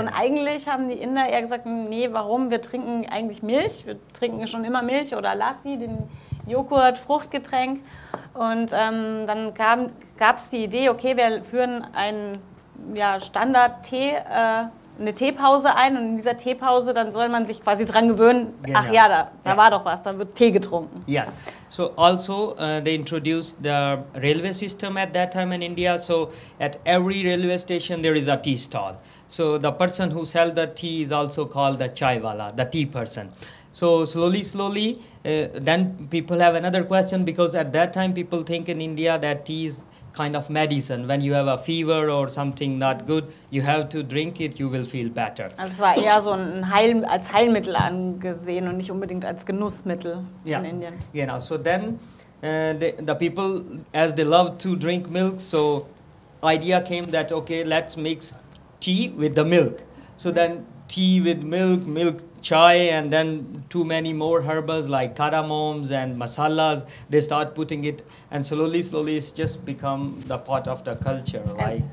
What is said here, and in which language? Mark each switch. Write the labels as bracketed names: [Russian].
[German] Und eigentlich haben die Inder eher gesagt, nee, warum, wir trinken eigentlich Milch, wir trinken schon immer Milch oder Lassi, den Joghurt, Fruchtgetränk. Und dann gab es die Idee, okay, wir führen einen Standard-Tee, eine Teepause ein und in dieser Teepause dann soll man sich quasi dran gewöhnen, genau. Ach ja, da war doch was, da wird Tee getrunken. [English] Yes. So also they introduced the railway system at that time in India. So at every railway station there is a tea stall. So the person who sells the tea is also called the chai wala, the tea person. So slowly, then people have another question because at that time people think in India that tea is kind of medicine. When you have a fever or something not good, you have to drink it, you will feel better. [German] Also es war eher so ein als Heilmittel angesehen und nicht unbedingt als Genussmittel in Indien. [English] Genau, so then the people, as they love to drink milk, so idea came that, okay, let's mix tea with the milk. So then tea with milk, milk chai, and then too many more herbs like cardamoms and masalas, they start putting it, and slowly it's just become the part of the culture, right?